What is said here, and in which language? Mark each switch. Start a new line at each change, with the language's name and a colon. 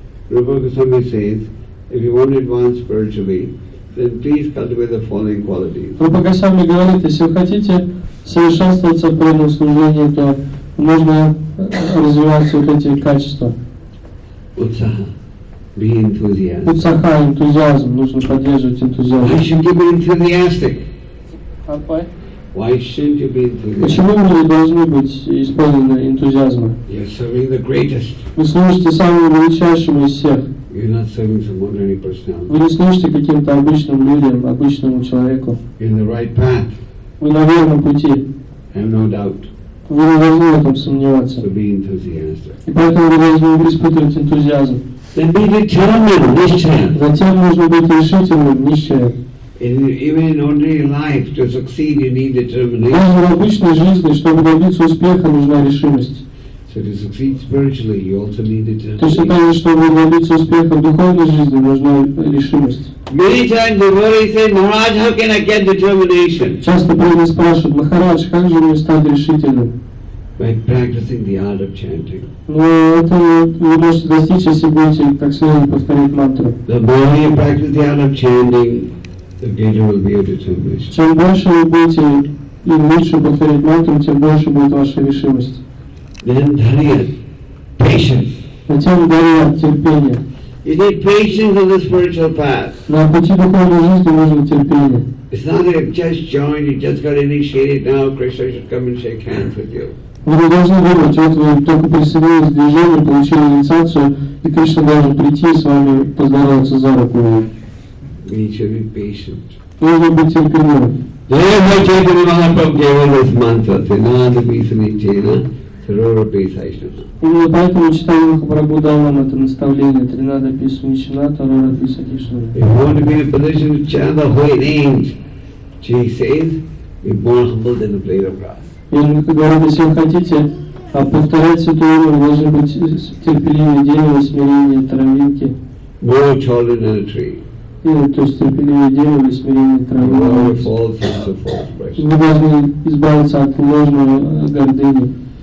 English: Rupa Goswami says, if you want to advance spiritually, then please cultivate the following qualities.
Russian: Rupa Goswami говорит, если вы хотите совершенствоваться в преданном служении, то нужно развивать вот эти качества.
English: Utsaha, be enthusiastic.
Russian: Utsaha, энтузиазм, нужно поддерживать энтузиазм.
English: Why shouldn't you be enthusiastic? Why shouldn't you be enthusiastic?
Russian: Почему вы должны быть исполнены энтузиазма?
English: You're serving the greatest.
Russian: Вы служите самому величайшему из всех.
English: You're not serving some ordinary personality.
Russian: Вы не служите каким-то обычным людям, обычному человеку.
English: In the right path.
Russian: Вы на верном пути.
English: Have no doubt.
Russian: Вы не должны в этом сомневаться.
English: So be enthusiastic.
Russian: И поэтому вы должны испытывать энтузиазм.
English: Then be determined, nishchaya.
Russian: Затем нужно быть решительным, нищая.
English: Even in ordinary life, to succeed, you need determination.
Russian: Даже в обычной жизни, чтобы добиться успеха, нужна решимость.
English: So to succeed spiritually, you also need determination.
Russian: То считается, чтобы добиться успеха в духовной жизни, нужна решимость.
English: Many times devotees say, Maharaj, how can I get determination?
Russian: Часто преданные спрашивают, Махарадж, как же мне стать решительным?
English: By practicing the art of chanting.
Russian: Но это вы можете достичь, если будете как следует повторять мантру.
English: The more you practice the art of chanting, the greater will be your determination.
Russian: Чем больше вы будете и лучше повторять мантру, тем больше будет ваша решимость.
English: Then dharya, patience.
Russian: Затем дарья, терпение.
English: You need patience on the spiritual path.
Russian: На пути духовной жизни нужно терпение.
English: It's not that you've just joined, you just got initiated, now Krishna should come and shake hands with you.
Russian: Вы не должны думать, вот вы только присоединились к движению, получили инициацию, и Кришна должен прийти с вами поздороваться за руку.
English: You should be patient.
Russian: Нужно быть терпеливым.
English: Therefore, Chaitanya Mahaprabhu gave us this mantra,
Sanskrit: Tinanda Bhisanichena,
Russian: именно поэтому Чайтанья Махапрабху дал нам это наставление
Sanskrit: Тринада Писа Мичина, Тарора Писа Кришна.
English: If you want to be in a position to chant the holy names, he says, be more humble than a blade of grass.
Russian: Он говорит, если вы хотите повторять святое имя, вы должны быть терпеливее дерево, смирение травинки.
English: More taller than a tree.
Russian: То есть терпеливее дерево, смирение травинки. Вы должны избавиться от ложного гордыни.